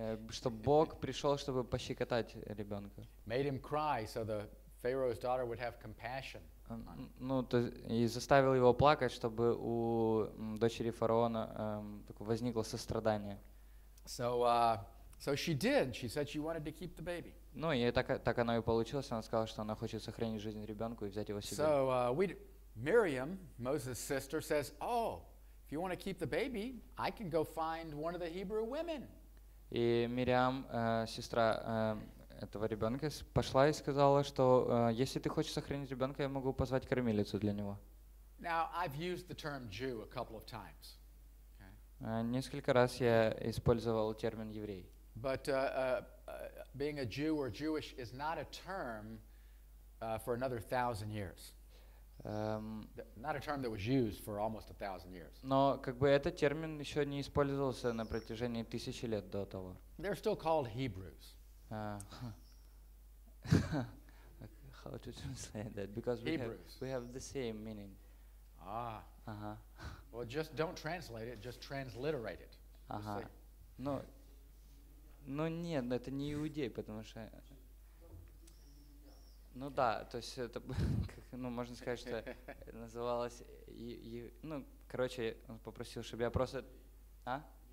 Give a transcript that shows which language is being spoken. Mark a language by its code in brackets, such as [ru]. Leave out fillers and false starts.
[ru] Что Бог пришел, чтобы пощекотать ребенка. [en] Made him cry, so the Pharaoh's daughter would have compassion. [ru] Ну, то и заставил его плакать, чтобы у дочери фараона возникло сострадание. [en] So she did. She said she wanted to keep the baby. [ru] Ну, и так оно и получилось. Она сказала, что она хочет сохранить жизнь ребенку и взять его себе. [en] So, Miriam, Moses' sister, says, oh, if you want to keep the baby, I can go find one of the Hebrew women. [ru] И Мириам, сестра этого ребенка, пошла и сказала, что если ты хочешь сохранить ребенка, я могу позвать кормилицу для него. [en] Now, I've used the term Jew a couple of times. [ru] Несколько раз я использовал термин еврей. [en] But being a Jew or Jewish is not a term for another 1,000 years. Not a term that was used for almost 1,000 years. [ru] Но как бы этот термин еще не использовался на протяжении 1000 лет до того. [en] They're still called Hebrews. How to translate that? Because we have the same meaning. Ah. Well, just don't translate it. Just transliterate it. No. [ru] Ну нет, это не иудей, потому что, ну да, то есть это, ну можно сказать, что называлось, ну короче, он попросил, чтобы я просто, а?